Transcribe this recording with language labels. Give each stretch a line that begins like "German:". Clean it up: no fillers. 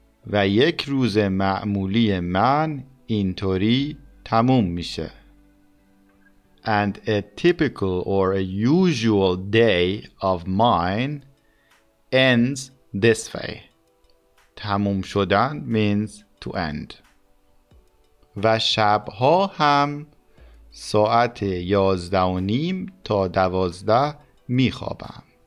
Persian: و یک روز معمولی من اینطوری تموم میشه.
English: And a typical or a usual day of mine ends this way. تموم شدن means to end.
Persian: و شبها هم ساعت 11:30 تا 12 میخوابم.